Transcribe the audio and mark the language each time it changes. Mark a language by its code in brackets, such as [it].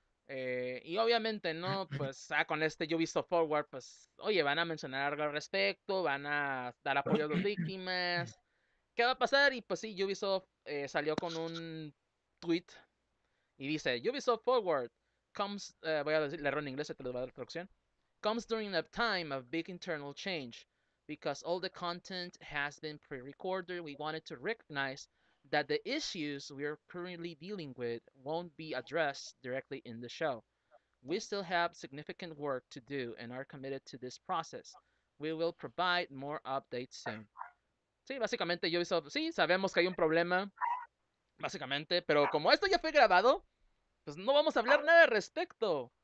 [es] Y obviamente, ¿no? Pues con este Ubisoft Forward, pues, oye, van a mencionar algo al respecto, van a dar apoyo a las víctimas. ¿Qué va a pasar? Y pues sí, Ubisoft salió con un tweet y dice, [en] Ubisoft Forward comes, [es] voy a decir, leerlo en inglés, se te lo voy a dar la traducción. [en] Comes during a time of big internal change. Because all the content has been pre-recorded, we wanted to recognize that the issues we are currently dealing with won't be addressed directly in the show. We still have significant work to do and are committed to this process. We will provide more updates soon. [es] Sí, básicamente Ubisoft, sí, sabemos que hay un problema, básicamente, pero como esto ya fue grabado, pues no vamos a hablar nada al respecto.